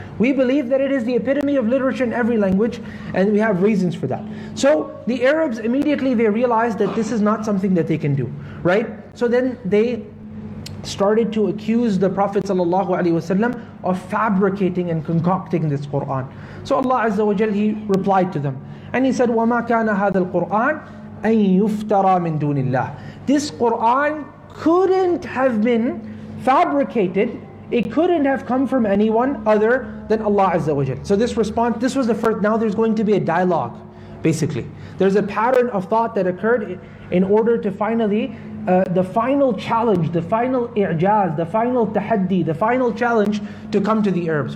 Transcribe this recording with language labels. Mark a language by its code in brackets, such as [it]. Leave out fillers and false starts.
[en] We believe that it is the epitome of literature in every language, and we have reasons for that. So the Arabs, immediately they realized that this is not something that they can do, right? So then they started to accuse the Prophet ﷺ of fabricating and concocting this Quran. So Allah Azza wa Jal, he replied to them. And he said, [ar] وَمَا كَانَ هَذَا الْقُرْآنَ أَن يُفْتَرَى مِن دُونِ اللَّهِ. [en] This Quran couldn't have been fabricated. It couldn't have come from anyone other than Allah Azza wa Jal. So this response, this was the first. Now there's going to be a dialogue, basically. There's a pattern of thought that occurred in order to finally, the final challenge, the final i'jaz, the final tahaddi, the final challenge to come to the Arabs.